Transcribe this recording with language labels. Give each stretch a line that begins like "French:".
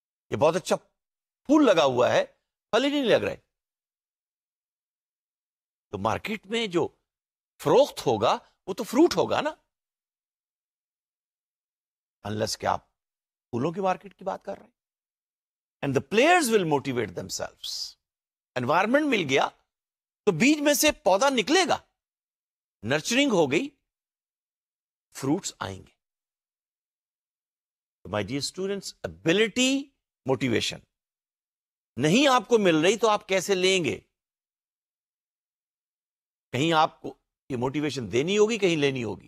Urdu: یہ بہت اچھا پھول لگا ہوا ہے, پھل ہی نہیں لگ رہے. تو مارکیٹ میں جو فروخت ہوگا وہ تو فروٹ ہوگا نا, انلیس کہ آپ پھولوں کی مارکیٹ کی بات کر رہے ہیں.
English: And the players will motivate themselves.
Urdu: Environment مل گیا تو بیج میں سے پودا نکلے گا, نرچرنگ ہو گئی, فروٹس آئیں گے.
English: my dear students,
Urdu: ability motivation نہیں آپ کو مل رہی تو آپ کیسے لیں گے؟ کہیں آپ کو یہ موٹیویشن دینی ہوگی, کہیں لینی ہوگی.